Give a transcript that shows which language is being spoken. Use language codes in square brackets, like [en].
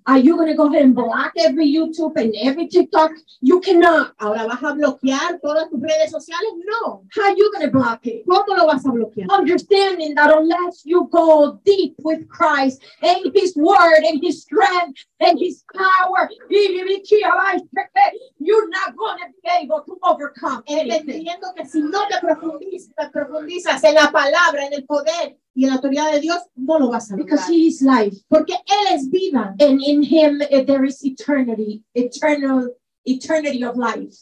[en] Are you going to go ahead and block every YouTube and every TikTok? You cannot. [es] ¿Ahora vas a bloquear todas tus redes sociales? No. [en] How are you going to block it? [es] ¿Cómo lo vas a bloquear? [en] Understanding that unless you go deep with Christ and His Word and His strength and His power, you're not going to be able to overcome anything. [es] Entendiendo que si no te profundizas en la palabra, en el poder, y en la autoridad de Dios no lo vas a lograr. [en] Because he is life. [es] Porque él es vida. [en] And in him there is eternity, eternity of life.